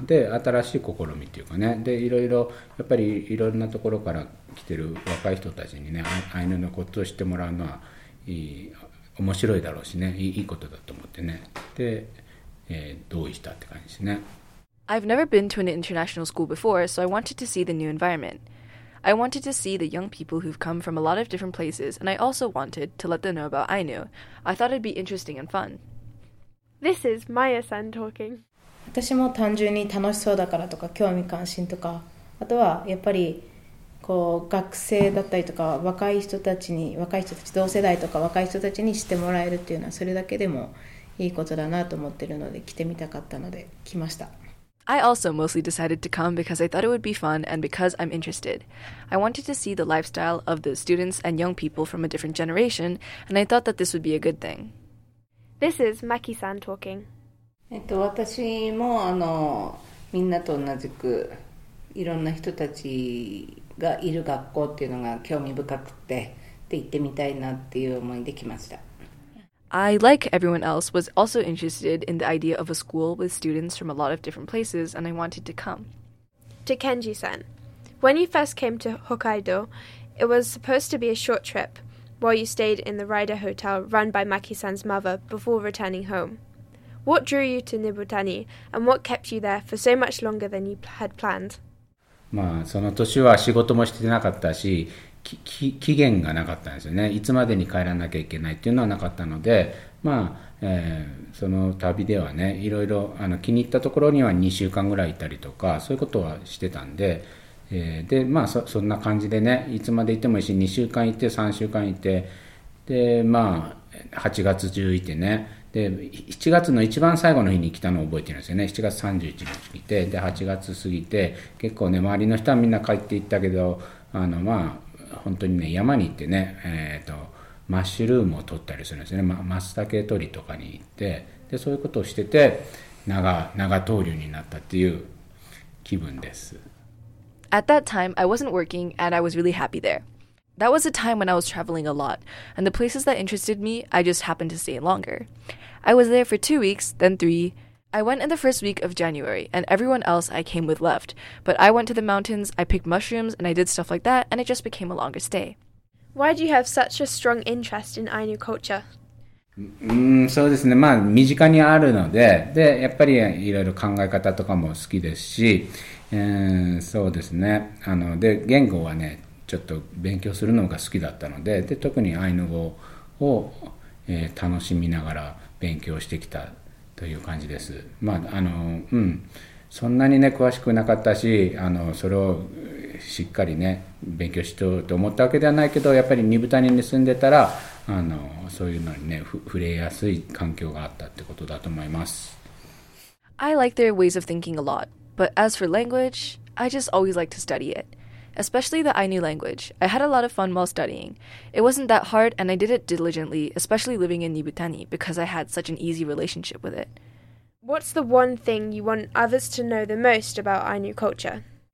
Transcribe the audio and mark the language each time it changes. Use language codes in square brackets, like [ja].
[ja] で、新しい試みっていうかね、で、いろいろ、やっぱりいろんなところから来てる若い人たちにね、アイヌのことを知ってもらうのはいい、面白いだろうしね、いいことだと思ってね。で、同意したって感じですね。 [en] I've never been to an international school before, so I wanted to see the new environment. I wanted to see the young people who've come from a lot of different places, and I also wanted to let them know about Ainu. I thought it'd be interesting and fun. This is Maya-san talking. [ja] 私も単純に楽しそうだからとか興味関心とかあとはやっぱりこう学生だったりとか若い人たちに、若い人たち同世代とか若い人たちに知ってもらえるっていうのはそれだけでもいいことだなと思ってるので来てみたかったので来ました。 [en] I also mostly decided to come because I thought it would be fun and because I'm interested. I wanted to see the lifestyle of the students and young people from a different generation, and I thought that this would be a good thing. This is Maki-san talking. 私もあのみんなと同じくいろんな人たちがいる学校っていうのが興味深くてで行ってみたいなっていう思いで来ました。 I, like everyone else, was also interested in the idea of a school with students from a lot of different places, and I wanted to come. To Kenji-san, when you first came to Hokkaido, it was supposed to be a short trip, while you stayed in the Rider Hotel run by Maki-san's mother before returning home. What drew you to Nibutani, and what kept you there for so much longer than you had planned? [ja] まあ、その年は仕事もしてなかったし、期限がなかったんですよね。いつまでに帰らなきゃいけないっていうのはなかったので、まあその旅ではね、いろいろあの気に入ったところには2週間ぐらいいたりとか、そういうことはしてたんで、でまあ そんな感じでね、いつまでいてもいいし、2週間いて3週間いて、でまあ8月中いてね、で7月の一番最後の日に来たのを覚えてるんですよね。 7月31日来て、で8月過ぎて、結構ね、周りの人はみんな帰っていったけど、あのまあ本当にね、山に行ってね、マッシュルームを取ったりするんですよね、マスタケ取りとかに行って、でそういうことをしてて長闘竜になったっていう気分です。 [en] At that time, I wasn't working and I was really happy there. That was a time when I was traveling a lot, and the places that interested me, I just happened to stay longer. I was there for 2 weeks, then 3. I went in the first week of January, and everyone else I came with left. But I went to the mountains, I picked mushrooms, and I did stuff like that, and it just became a longer stay. Why do you have such a strong interest in Ainu culture? [ja] そうですね。まあ、身近にあるので、で、やっぱりいろいろ考え方とかも好きですし、そうですね。あの、で、言語はね、ちょっと勉強するのが好きだったので、で、特にアイヌ語を、楽しみながら勉強してきた。という感じです。まあ、あの、うん、そんなにね、詳しくなかったし、あの、それをしっかりね、勉強しようと思ったわけではないけど、やっぱりニブタニに住んでたら、あの、そういうのにね、触れやすい環境があったってことだと思います。 [en] I like their ways of thinking a lot, but as for language, I just always like to study it. Especially the Ainu language. I had a lot of fun while studying. It wasn't that hard, and I did it diligently, especially living in Nibutani, because I had such an easy relationship with it. What's the one thing you want others to know the most about Ainu culture?